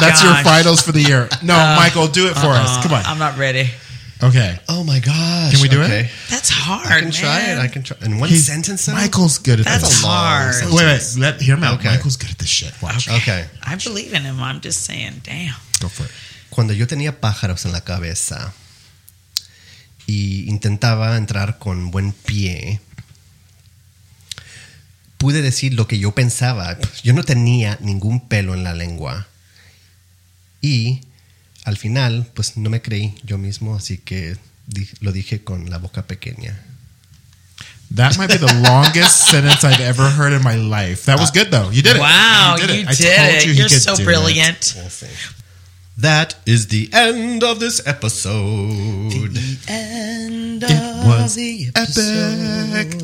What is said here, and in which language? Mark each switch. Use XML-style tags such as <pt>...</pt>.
<en>That's your finals for the year. No, Michael, do it for us. Come on. I'm not ready. Okay. Oh my gosh. Can we do it? That's hard. I can try it. I can try. In one sentence? Though? Michael's good at this. That's hard. Sentence. Wait, wait. Let hear him out. Michael's good at this shit. Watch. Okay. I believe in him. I'm just saying, damn. Go for it.</en> <es>Cuando yo tenía pájaros en la cabeza y intentaba entrar con buen pie, pude decir lo que yo pensaba. Yo no tenía ningún pelo en la lengua. Y. Al final, pues no me creí yo mismo, así que lo dije con la boca pequeña.</es> <en>That might be the longest sentence I've ever heard in my life. That was good, though. You did it. Wow, you did it. You're so brilliant. That is the end of this episode. The end of the epic.</en>